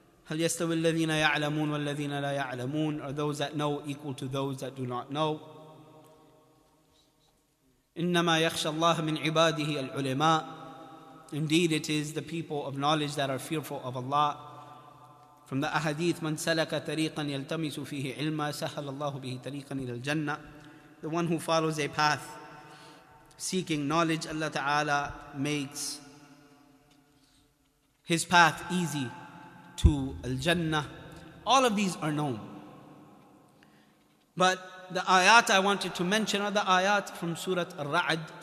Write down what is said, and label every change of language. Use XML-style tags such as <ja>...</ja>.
<ar>هَلْ يَسْتَوِي الَّذِينَ يَعْلَمُونَ وَالَّذِينَ لَا يَعْلَمُونَ.</ar> <en>Are those that know equal to those that do not know?</en> <ar>إِنَّمَا يَخْشَى اللَّهَ مِنْ عِبَادِهِ الْعُلِمَاءِ.</ar> <en>Indeed, it is the people of knowledge that are fearful of Allah. From the ahadith,</en> <ar>من سلك طريقا يلتمس فيه علما سهل الله به طريقا إلى الجنة.</ar> <en>The one who follows a path seeking knowledge, Allah Ta'ala makes his path easy to al-jannah. All of these are known. But the ayat I wanted to mention are the ayat from Surah Ar-Ra'd.</en>